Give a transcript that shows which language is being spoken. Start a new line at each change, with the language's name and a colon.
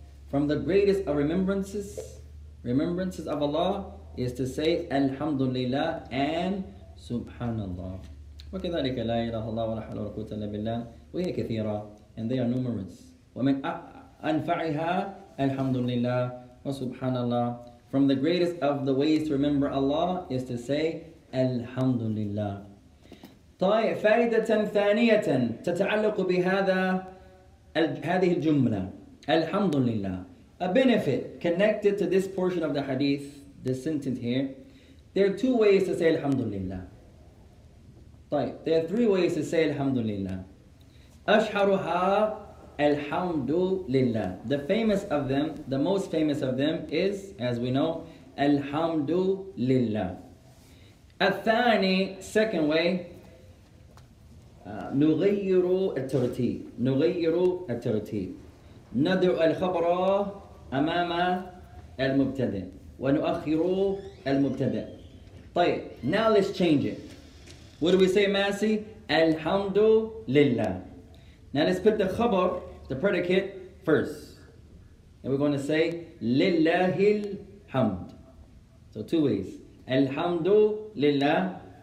English: From the greatest of remembrances of Allah is to say alhamdulillah and subhanallah.
Arabic: وكذلك لا إله إلا الله ولا حول ولا قوة إلا بالله وهي كثيرة.
English: and they are numerous.
Arabic: وَمِنْ أَنْفَعِهَا الْحَمْدُ لِلَّهِ وَسُبْحَانَ اللَّهِ.
English: From the greatest of the ways to remember Allah is to say الْحَمْدُ لِلَّهِ.
Arabic: طيب فائدة ثانية تتعلق بهذا هذه الجملة الحمد لله.
English: A benefit connected to this portion of the hadith, this sentence here, there are two ways to say Alhamdulillah. طيب, there are three ways to say Alhamdulillah.
Arabic: أشهرها الحمد لله.
English: The famous of them, the most famous of them is, as we know, الحمد لله.
Arabic: الثاني,
English: second way,
Arabic: نغير الترتيب. نغير الترتيب. ندع الخبر أمام المبتدأ ونؤخر المبتدأ.
English: طيب, now let's change it. What do we say, Masi? الحمد لله. Now let's put the خبر, the predicate, first. And we're going to say
Arabic: لله الحمد.
English: So two ways. الحمد لله.